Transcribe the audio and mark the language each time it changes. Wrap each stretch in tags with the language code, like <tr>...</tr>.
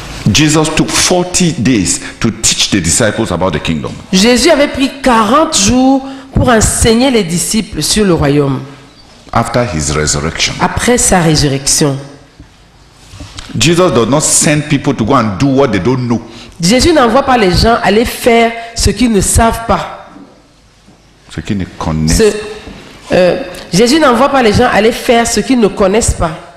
<en>Jesus took 40 days to teach the disciples about the kingdom.</en> <fr>Jésus avait pris 40 jours pour enseigner les disciples sur le royaume.</fr> <en>After his resurrection.</en> <fr>Après sa résurrection.</fr> <en>Jesus does not send people to go and do what they don't know.</en> <fr>Jésus n'envoie pas les gens aller faire ce qu'ils ne savent pas. Ce qu'ils ne connaissent. Jésus n'envoie pas les gens aller faire ce qu'ils ne connaissent pas.</fr>